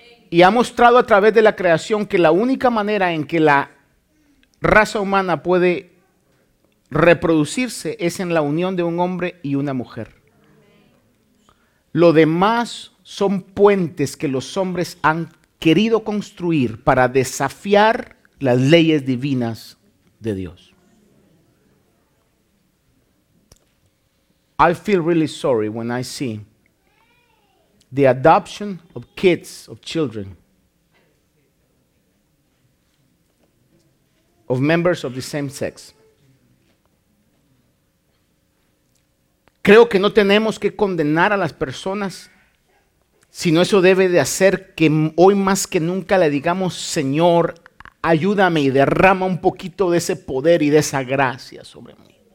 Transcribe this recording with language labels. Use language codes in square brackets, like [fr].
[es] Y ha mostrado a través de la creación que la única manera en que la raza humana puede reproducirse es en la unión de un hombre y una mujer. Lo demás son puentes que los hombres han querido construir para desafiar las leyes divinas de Dios. [en] I feel really sorry when I see the adoption of kids, of children, of members of the same sex. [es] Creo que no tenemos que condenar a las personas, sino eso debe de hacer que hoy más que nunca le digamos, Señor, ayúdame y derrama un poquito de ese poder y de esa gracia sobre mí.